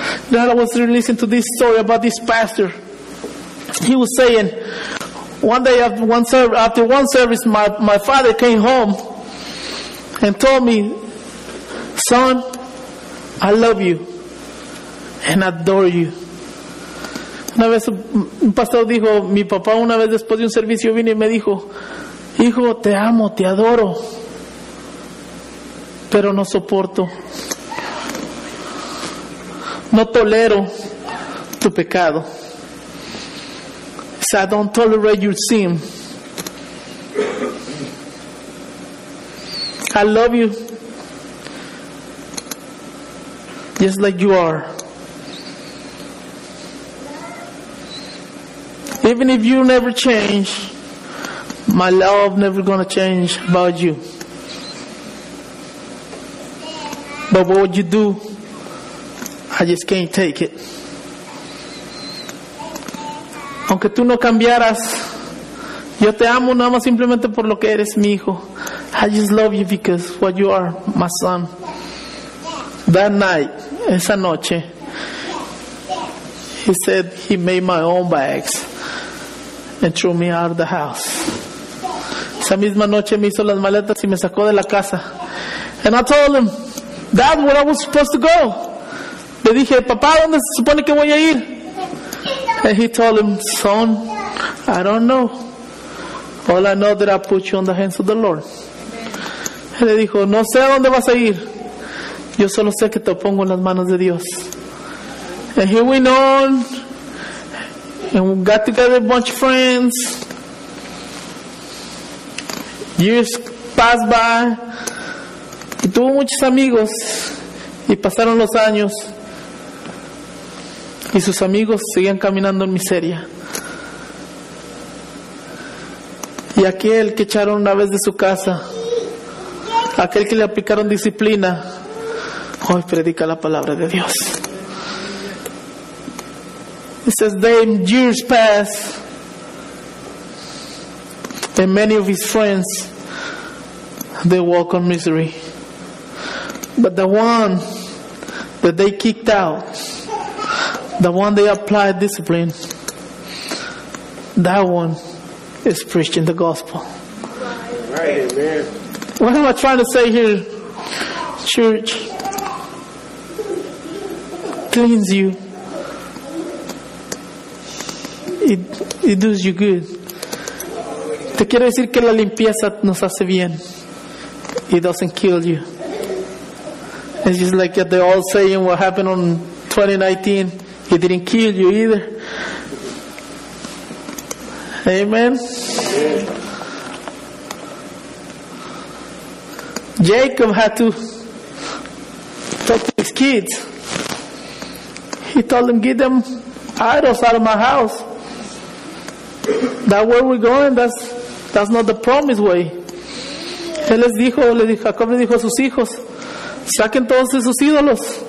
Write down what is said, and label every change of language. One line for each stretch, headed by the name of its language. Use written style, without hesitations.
English: Now I was listening to this story about this pastor. He was saying, one day after one service, my father came home and told me, son, I love you and adore you.
Spanish: Una vez un pastor dijo, mi papá una vez después de un servicio vino y me dijo, hijo, te amo, te adoro, pero no soporto. No tolero tu pecado.
English: So I don't tolerate your sin. I love you just like you are. Even if you never change, my love never gonna change about you. But what would you do? I just can't take it.
Spanish: Aunque tú no cambiaras, yo te amo nada más simplemente por lo que eres mi hijo.
English: I just love you because what you are, my son. That night,
Spanish: esa noche,
English: He said he made my own bags and threw me out of the house.
Spanish: Esa misma noche me hizo las maletas y me sacó de la casa.
English: And I told him, Dad, where I was supposed to go.
Spanish: Le dije, papá, ¿dónde se supone que voy a ir?
English: And he told him, son, I don't know. All I know that I put you on the hands of the Lord.
Spanish: Y le dijo, no sé a dónde vas a ir. Yo solo sé que te pongo en las manos de Dios.
English: And he went on. And we got together a bunch of friends. Years passed by.
Spanish: Y tuvo muchos amigos. Y pasaron los años. Y sus amigos seguían caminando en miseria. Y aquel que echaron una vez de su casa, aquel que le aplicaron disciplina, hoy predica la palabra de Dios.
English: It says, then years passed, and many of his friends, they walk on misery. But the one that they kicked out, the one they applied discipline, that one is preaching the gospel. Right, amen. What am I trying to say here? Church cleans you. It does you good.
Spanish: Te quiero decir que la limpieza nos hace bien.
English: It doesn't kill you. It's just like the old saying, what happened on 2019, it didn't kill you either. Amen. Amen. Jacob had to talk to his kids. He told them, get them idols out of my house. That where we're going, that's not the promised way.
Spanish: Él les dijo, Jacob le dijo a sus hijos, saquen todos esos ídolos.